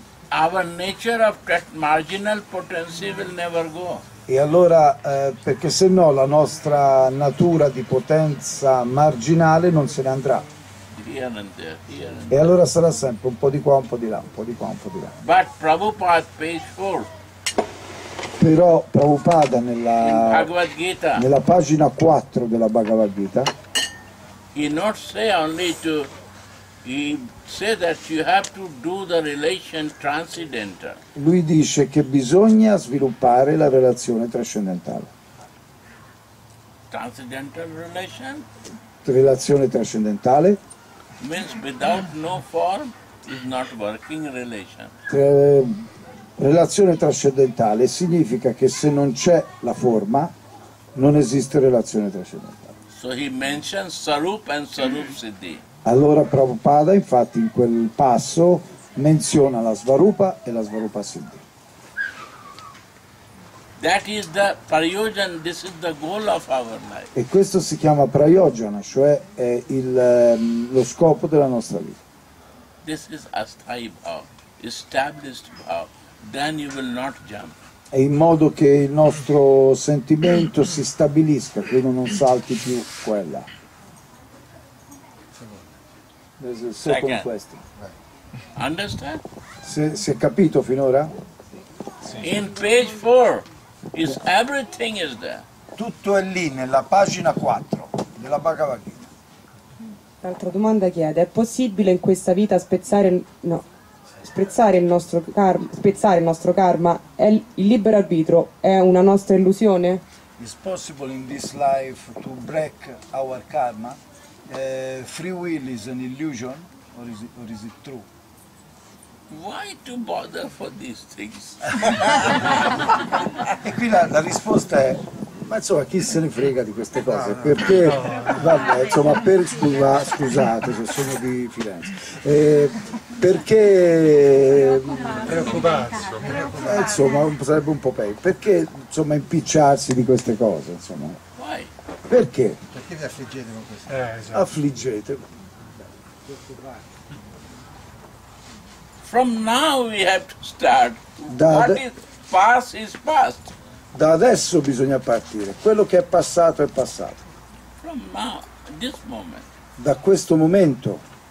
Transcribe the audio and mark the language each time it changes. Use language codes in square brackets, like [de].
[en] our nature of that marginal potency will never go. [it] E allora perché se no la nostra natura di potenza marginale non se ne andrà. [en] Here and there. [it] E allora sarà sempre un po' di qua, un po' di là, un po' di qua, un po' di là. [en] But Prabhupada page 4. [it] Però Prabhupada nella Bhagavad Gita, nella pagina 4 della Bhagavad Gita, [en] he not say only to, he say that you have to do the relation transcendental. [it] Lui dice che bisogna sviluppare la relazione trascendentale. [en] Transcendental relation? [it] Relazione trascendentale. [en] Means without no form is not working relation. [it] Relazione trascendentale significa che se non c'è la forma non esiste relazione trascendentale. [en] So he mentions sarup and sarup siddhi. [it] Allora Prabhupada infatti in quel passo menziona la svarupa e la svarupa siddhi. [en] That is the prayojan, this is the goal of our life. [it] E questo si chiama prayojana, cioè è lo scopo della nostra vita. [en] This is a sthayi bhav, established bhav, then you will not jump. [it] È in modo che il nostro sentimento si stabilisca, quindi non salti più quella. [en] Second question. Understand? [it] Si è capito finora? [en] In page 4. Is everything is there. [it] Tutto è lì nella pagina 4 della Bhagavad Gita. L'altra domanda chiede: è possibile in questa vita spezzare il nostro karma? È il libero arbitrio è una nostra illusione? [en] Is possible in this life to break our karma? Free will is an illusion or is it true? Why to bother for these things? [it] E qui la risposta è: ma insomma, chi se ne frega di queste cose? Perché, vabbè, insomma, scusate se sono di Firenze. Perché preoccuparsi? Insomma, sarebbe un po' peggio. Perché, insomma, impicciarsi di queste cose? Insomma, [en] why? [it] Perché? Perché vi affliggete con queste cose? Esatto. Affliggete. [en] From now we have to start. Past is past. [it] Da adesso bisogna partire. Quello che è passato è passato. [en] From now, this moment. [it] Da questo momento.